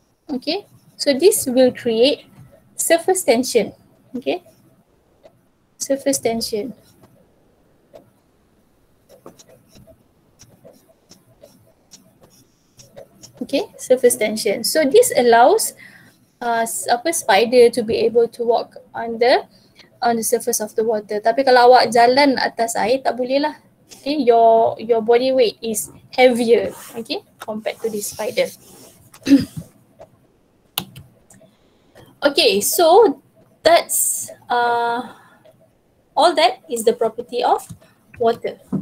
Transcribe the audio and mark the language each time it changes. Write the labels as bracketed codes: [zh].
[en] Okay, so this will create surface tension. Okay, surface tension. Okay, surface tension. So this allows apa spider to be able to walk on the surface of the water. [ms] Tapi kalau awak jalan atas air, tak boleh lah. [en] Okay, your body weight is heavier, okay, compared to the spider. Okay, so that's all that is the property of water.